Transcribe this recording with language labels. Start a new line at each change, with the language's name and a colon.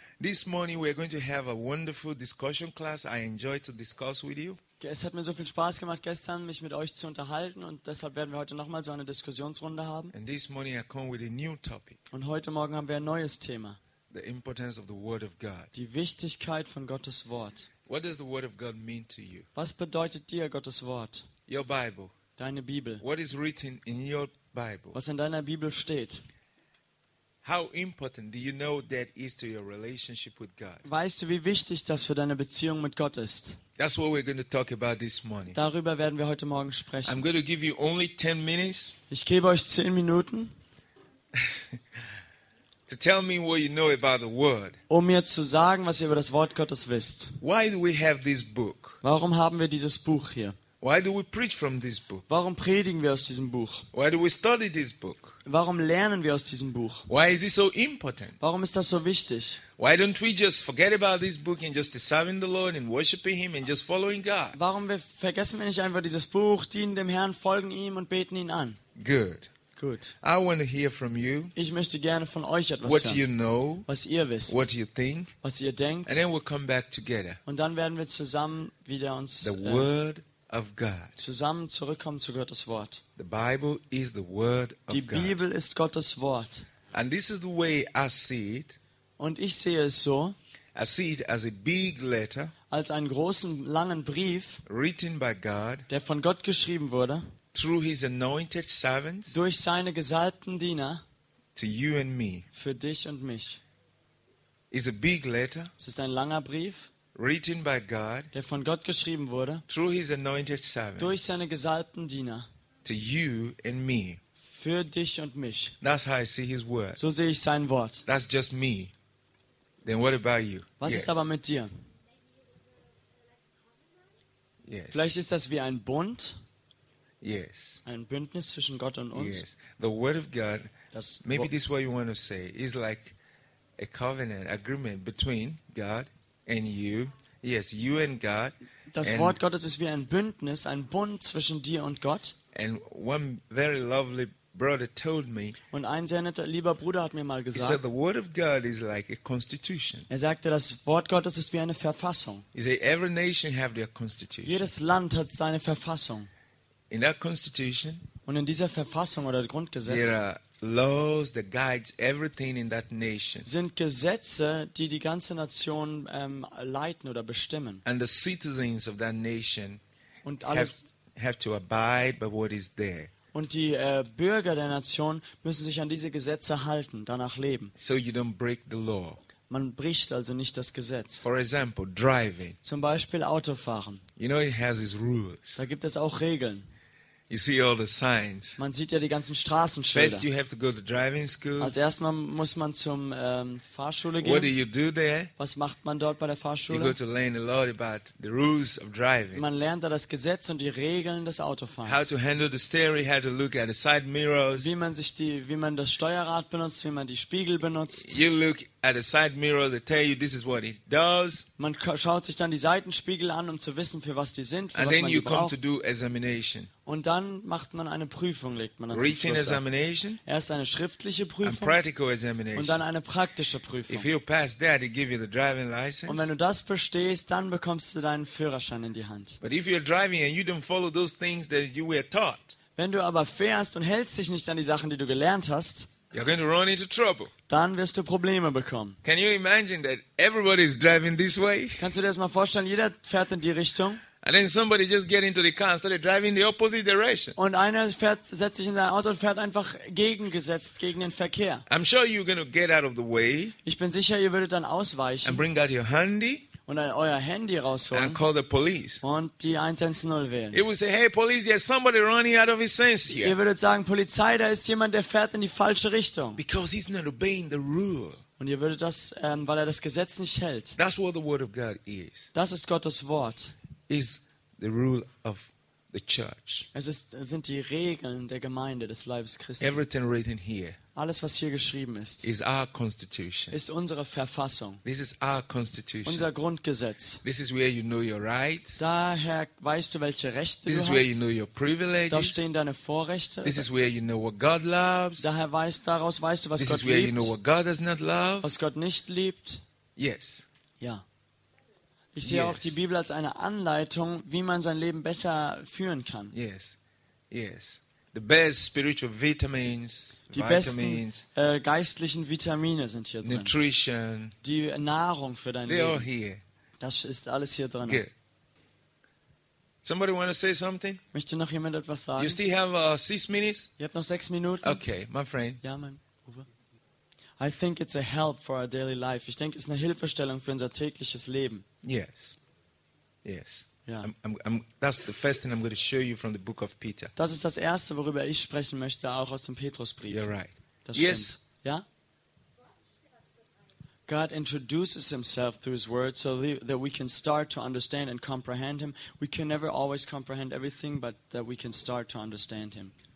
English: This morning we are going to have a wonderful discussion class. I enjoy to discuss with you.
German: Es hat mir so viel Spaß gemacht gestern, mich mit euch zu unterhalten, und deshalb werden wir heute nochmal so eine Diskussionsrunde haben.
English: And this morning I come with a new topic.
German: Und heute Morgen haben wir ein neues Thema.
English: The importance of the Word of God.
German: Die Wichtigkeit von Gottes Wort.
English: What does the Word of God mean to you?
German: Was bedeutet dir Gottes Wort?
English: Your Bible.
German: Deine Bibel.
English: What is written in your Bible?
German: Was in deiner Bibel steht?
English: How important do you know that is to your relationship with God?
German: Weißt du, wie wichtig das für deine Beziehung mit Gott ist?
English: That's what we're going to talk about this morning.
German: Darüber werden wir heute Morgen sprechen.
English: I'm going to give you only 10 minutes.
German: Ich gebe euch 10 Minuten.
English: To tell me what you know about the Word.
German: Um mir zu sagen, was ihr über das Wort Gottes wisst.
English: Why do we have this book?
German: Warum haben wir dieses Buch hier?
English: Why do we preach from this book?
German: Warum predigen wir aus diesem Buch?
English: Why do we study this book?
German: Warum lernen wir aus diesem Buch?
English: Why is it so important?
German: Warum ist das so wichtig?
English: Why don't we just forget about this book and just serving the Lord and worshiping Him and just following God?
German: Warum vergessen wir nicht einfach dieses Buch, dienen dem Herrn, folgen ihm und beten ihn an?
English: Good.
German: Gut.
English: I want to hear from you.
German: Ich möchte gerne von euch etwas
English: what
German: hören.
English: You know,
German: was ihr wisst.
English: What you think,
German: was ihr denkt.
English: And then we'll come back together.
German: Und dann werden wir zusammen wieder uns
English: the word of God.
German: Zusammen zurückkommen zu Gottes Wort.
English: The Bible is the word of
German: die Bibel
English: God.
German: Ist Gottes Wort.
English: And this is the way I see it.
German: Und ich sehe es so.
English: I see it as a big letter,
German: als einen großen langen Brief,
English: written by God,
German: der von Gott geschrieben wurde.
English: Through his anointed servants,
German: durch seine gesalbten Diener,
English: to you and me,
German: für dich und mich.
English: Is a big letter,
German: es ist ein langer Brief,
English: written by God,
German: der von Gott geschrieben wurde,
English: through his anointed servants,
German: durch seine gesalbten Diener,
English: to you and me,
German: für dich und mich.
English: That's how I see his word.
German: So sehe ich sein Wort.
English: That's just me. Then what about you?
German: Was
English: yes.
German: ist aber mit dir?
English: Yes.
German: Vielleicht ist das wie ein Bund.
English: Yes.
German: Ein Bündnis zwischen Gott und uns.
English: Yes. The word of God. Maybe this is what you want to say. It's like a covenant agreement between God and you. Yes, you and God.
German: Das Wort Gottes ist wie ein Bündnis, ein Bund zwischen dir und Gott.
English: And one very lovely brother told me.
German: Und ein sehr netter lieber Bruder hat mir mal gesagt.
English: He said the word of God is like a constitution.
German: Er sagte, das Wort Gottes ist wie eine Verfassung.
English: He said every nation have their constitution.
German: Jedes Land hat seine Verfassung.
English: In that constitution,
German: und in dieser Verfassung oder Grundgesetz,
English: there are laws that guides everything in that nation.
German: Sind Gesetze, die die ganze Nation leiten oder bestimmen.
English: And the citizens of that nation
German: und alles,
English: have to abide by what is there.
German: Und die Bürger der Nation müssen sich an diese Gesetze halten, danach leben.
English: So you don't break the law.
German: Man bricht also nicht das Gesetz.
English: For example, driving.
German: Zum Beispiel Autofahren.
English: You know, it has its rules.
German: Da gibt es auch Regeln.
English: You see all the signs.
German: Man sieht ja die ganzen Straßenschilder.
English: First you have to go to driving school.
German: Als erstmal muss man zum Fahrschule gehen.
English: What do you do there?
German: Was macht man dort bei der Fahrschule?
English: You go to learn a lot about the rules of driving.
German: Man lernt da das Gesetz und die Regeln des Autofahrens.
English: How to handle the steering, how to look at the side mirrors.
German: Wie man das Steuerrad benutzt, wie man die Spiegel benutzt.
English: You look at the side mirror, they tell you this is what it does.
German: Man schaut sich dann die Seitenspiegel an, um zu wissen, für was die sind, für
English: and
German: was
English: then
German: man
English: you
German: die
English: come
German: braucht.
English: To do examination.
German: Und dann macht man eine Prüfung, legt man dann
English: written
German: zum Schluss
English: examination,
German: erst eine schriftliche Prüfung
English: and practical examination.
German: Und dann eine praktische Prüfung.
English: If you pass that, they give you the driving license.
German: Und wenn du das bestehst, dann bekommst du deinen Führerschein in die Hand.
English: But if you're driving and you don't follow those things that you were taught,
German: wenn du aber fährst und hältst dich nicht an die Sachen, die du gelernt hast,
English: you're going to run into trouble.
German: Dann wirst du Probleme bekommen.
English: Can you imagine that everybody is driving this way?
German: Kannst du dir das mal vorstellen? Jeder fährt in die Richtung.
English: And then somebody just get into the car and started driving the opposite direction.
German: Und einer setzt sich in sein Auto und fährt einfach gegengesetzt gegen den Verkehr.
English: I'm sure you're going to get out of the way.
German: Ich bin sicher, ihr würdet dann ausweichen.
English: And bring out your handy.
German: Und euer Handy rausholen.
English: And call the police.
German: Und die 110 wählen.
English: You would say, hey police, there's somebody running out of his sense here.
German: Ihr würdet sagen, Polizei, da ist jemand, der fährt in die falsche Richtung.
English: Because he's not obeying the rule.
German: Und ihr würdet das, weil er das Gesetz nicht hält.
English: That's what the word of God is.
German: Das ist Gottes Wort.
English: Is the rule of the church.
German: Es ist, sind die Regeln der Gemeinde des Leibes Christi.
English: Everything written here.
German: Alles, was hier geschrieben ist,
English: is our constitution.
German: Ist unsere Verfassung.
English: This is our constitution.
German: Unser Grundgesetz.
English: This is where you know your rights.
German: Daher weißt du, welche Rechte
English: this
German: du hast.
English: This is where you know your privileges.
German: Da stehen deine Vorrechte.
English: This is where you know what God loves.
German: Daher weißt, daraus weißt du, was
English: this
German: Gott
English: is where
German: liebt.
English: You know what God does not love.
German: Was Gott nicht liebt.
English: Yes.
German: Ja. Ich sehe auch die Bibel als eine Anleitung, wie man sein Leben besser führen kann.
English: Yes. Yes. The best spiritual vitamins,
German: die besten geistlichen Vitamine sind hier drin.
English: Nutrition.
German: Die Nahrung für dein
English: They're All here.
German: Das ist alles hier drin.
English: Good. Somebody want to say something?
German: Möchte noch jemand etwas sagen?
English: You still have 6 minutes?
German: Ihr habt noch 6 Minuten.
English: Okay, my friend.
German: Ja, mein Bruder.
English: I think it's a help for our daily life.
German: Ich denke, es ist eine Hilfestellung für unser tägliches Leben.
English: Yes. Yes. Yeah. That's the first thing I'm going to show you from the book of Peter.
German: Das ist das erste, worüber ich sprechen möchte, auch aus dem Petrusbrief.
English: You're right.
German: Das stimmt.
English: Yes.
German: Ja?
English: God introduces himself through his word so that we can start to understand and comprehend him. We can never always comprehend everything, but that we can start to understand him.